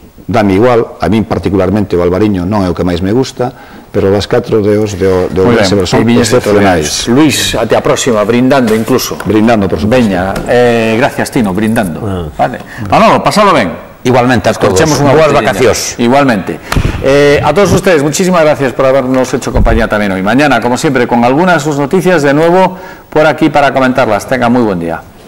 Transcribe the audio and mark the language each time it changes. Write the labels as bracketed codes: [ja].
[gl] Dame igual, a mí particularmente o albariño non é o que máis me gusta, pero las 4 deos de Orense son excepcionais. Luís, até a próxima, brindando incluso. [es] Brindando, por supuesto. [gl] Veña, gracias Tino, brindando. Vale. Manolo, pasalo ben. Igualmente a todos. [es] Buenas vacaciones. Igualmente. A todos ustedes, muchísimas gracias por habernos hecho compañía también hoy. Mañana, como siempre, con algunas de sus noticias de nuevo por aquí para comentarlas. Tengan muy buen día.